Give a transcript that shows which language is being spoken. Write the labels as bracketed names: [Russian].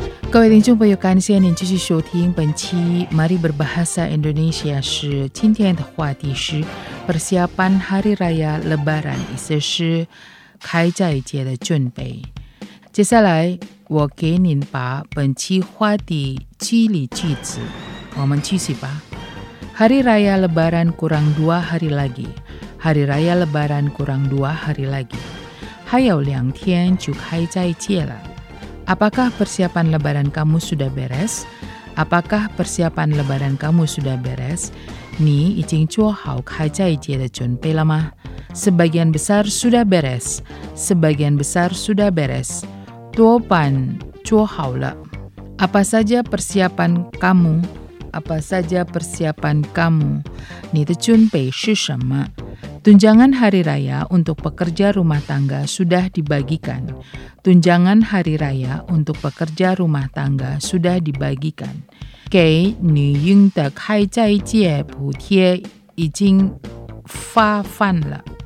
[Chinese] 各位听众朋友，感谢您继续收听本期 Mari Berbahasa Indonesia。是今天的话题是Persiapan Hari Raya Lebaran， 意思是开斋节的准备。接下来我给您把本期话题记忆句子，我们继续吧。 [Indonesian] Hari Raya Lebaran kurang 2 hari lagi， Hari Raya Lebaran kurang 2 hari lagi，还有两天就开斋节了。 Apakah persiapan Lebaran kamu sudah beres？ Apakah persiapan Lebaran kamu sudah beres？ [Chinese] 你已经做好开斋节的准备了吗？ [Indonesian] Sebagian besar sudah beres， Sebagian besar sudah beres，多半做好了。 Apa saja persiapan kamu？ Apa saja persiapan kamu？ [Chinese] 你的准备是什么？ [Indonesian] Tunjangan Hari Raya untuk pekerja rumah tangga sudah dibagikan。 Tunjangan Hari Raya untuk pekerja rumah tangga sudah dibagikan。 [Chinese] 给女佣的开斋节补贴已经发放了。